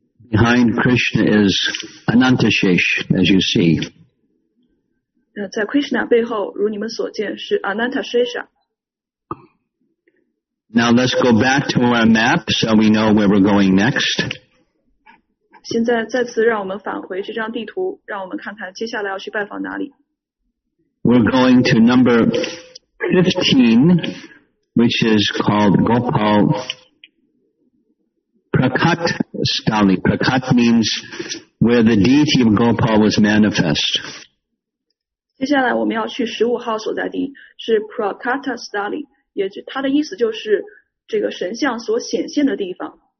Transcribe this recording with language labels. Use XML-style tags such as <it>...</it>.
<en>Behind Krishna is Anantashesh, as you see.</en> <zh>在 Krishna 背后，如你们所见，是 Anantashesha.</zh> <en>Now let's go back to our map so we know where we're going next.</en> <zh>现在再次让我们返回这张地图，让我们看看接下来要去拜访哪里。</zh> <en>We're going to number 15, which is called Gopal. Prakat Stali. Prakat means where the deity of Gopal was manifest.</en> <zh>接下来我们要去15号所在地，是 Prakat Stali， 也就它的意思就是这个神像所显现的地方。</zh>